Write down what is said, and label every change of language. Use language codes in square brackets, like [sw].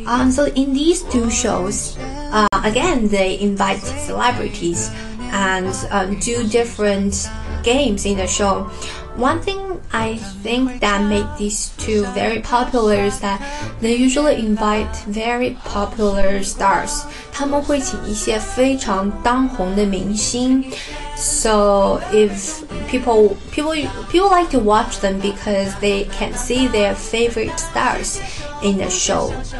[en] So, in these two shows, again, they invite celebrities and do different games in the show. One thing I think that made these two very popular is that they usually invite very popular stars. [zh] 他们会请一些非常当红的明星。 [en] So if people like to watch them because they can see their favorite stars in the show.